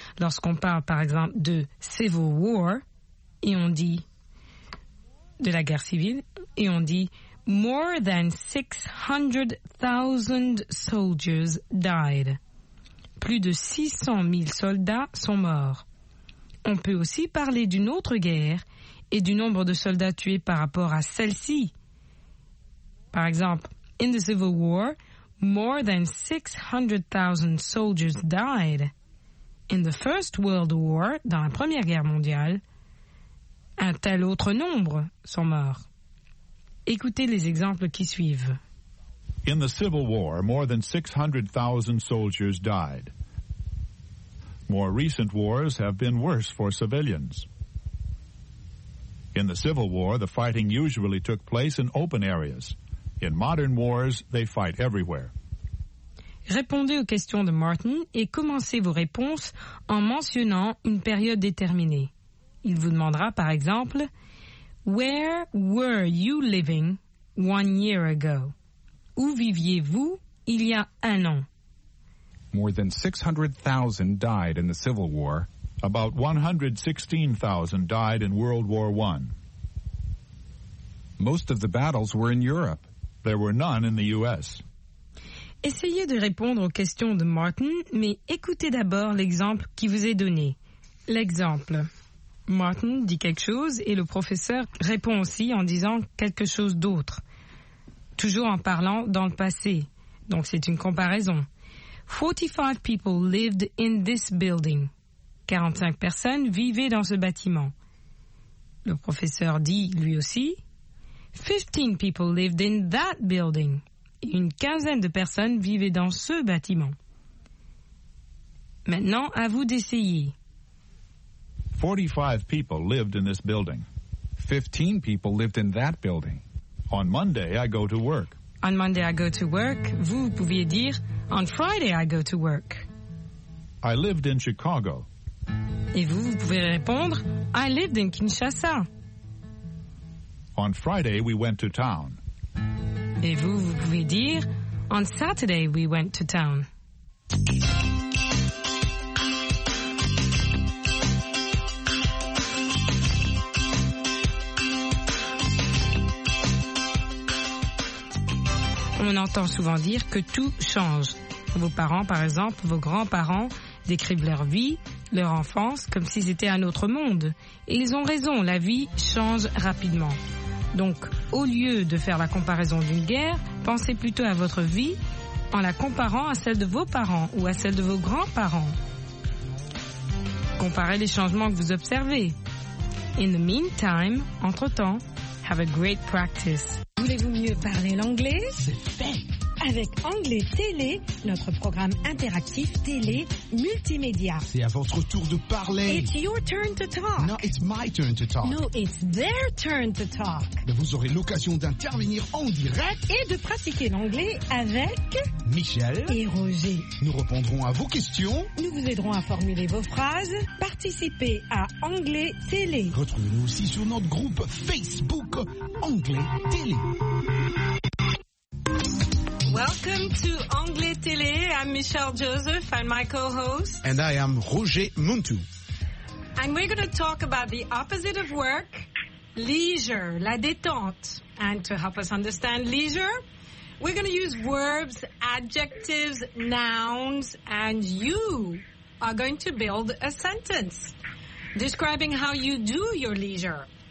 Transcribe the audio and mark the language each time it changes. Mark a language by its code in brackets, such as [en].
[fr] Lorsqu'on parle, par exemple, de Civil War, et on dit de la guerre civile, et on dit [en] More than 600,000 soldiers died. [fr] Plus de 600 000 soldats sont morts. On peut aussi parler d'une autre guerre et du nombre de soldats tués par rapport à celle-ci. Par exemple, [en] in the Civil War, more than 600,000 soldiers died. In the First World War, [fr] dans la Première Guerre mondiale, un tel autre nombre sont morts. Écoutez les exemples qui suivent. [en] In the Civil War, more than 600,000 soldiers died. More recent wars have been worse for civilians. In the Civil War, the fighting usually took place in open areas. In modern wars, they fight everywhere. [fr] Répondez aux questions de Martin et commencez vos réponses en mentionnant une période déterminée. Il vous demandera, par exemple, [en] Where were you living 1 year ago? [fr] Où viviez-vous il y a un an? [en] More than 600,000 died in the Civil War. About 116,000 died in World War I. Most of the battles were in Europe. There were none in the U.S. [fr] Essayez de répondre aux questions de Martin, mais écoutez d'abord l'exemple qui vous est donné. L'exemple. Martin dit quelque chose et le professeur répond aussi en disant quelque chose d'autre. Toujours en parlant dans le passé. Donc c'est une comparaison. [en] 45 people lived in this building. [fr] 45 personnes vivaient dans ce bâtiment. Le professeur dit lui aussi [en] 15 people lived in that building. [fr] Une quinzaine de personnes vivaient dans ce bâtiment. Maintenant, à vous d'essayer. [en] 45 people lived in this building. 15 people lived in that building. On Monday, I go to work. On Monday, I go to work. [fr] Vous pouviez dire, [en] on Friday, I go to work. I lived in Chicago. [fr] Et vous pouvez répondre, [en] I lived in Kinshasa. On Friday, we went to town. [fr] Et vous pouvez dire, [en] on Saturday, we went to town. [fr] On entend souvent dire que tout change. Vos parents, par exemple, vos grands-parents décrivent leur vie leur enfance comme si c'était un autre monde. Et ils ont raison, la vie change rapidement. Donc, au lieu de faire la comparaison d'une guerre, pensez plutôt à votre vie en la comparant à celle de vos parents ou à celle de vos grands-parents. Comparez les changements que vous observez. [en] In the meantime, entre-temps, have a great practice. [fr] Voulez-vous mieux parler l'anglais ? C'est fait ! Avec Anglais Télé, notre programme interactif télé multimédia. C'est à votre tour de parler. [en] It's your turn to talk. No, it's my turn to talk. No, it's their turn to talk. [fr] Mais vous aurez l'occasion d'intervenir en direct. Et de pratiquer l'anglais avec... Michel. Et Roger. Nous répondrons à vos questions. Nous vous aiderons à formuler vos phrases. Participez à Anglais Télé. Retrouvez-nous aussi sur notre groupe Facebook Anglais Télé. [en] Welcome to Anglais Télé. I'm Michelle Joseph. I'm my co-host. And I am Roger Muntou. And we're going to talk about the opposite of work, leisure, [fr] la détente. [en] And to help us understand leisure, we're going to use verbs, adjectives, nouns, and you are going to build a sentence describing how you do your leisure.